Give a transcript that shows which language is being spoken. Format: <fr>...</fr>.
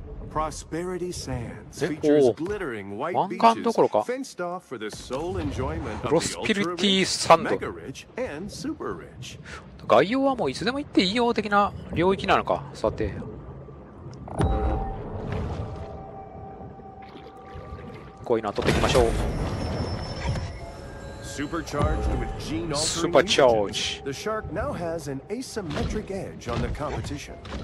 <en>Prosperity Sands features glittering white beaches, fenced off for the sole enjoyment of the ultra rich and super rich.</en> <ja>概要はもういつでも行っていいよ的な領域なのか。さて、こういうの取っていきましょう。</ja> <en>Supercharged with gene altering, the shark now has an asymmetric edge on the competition.</en>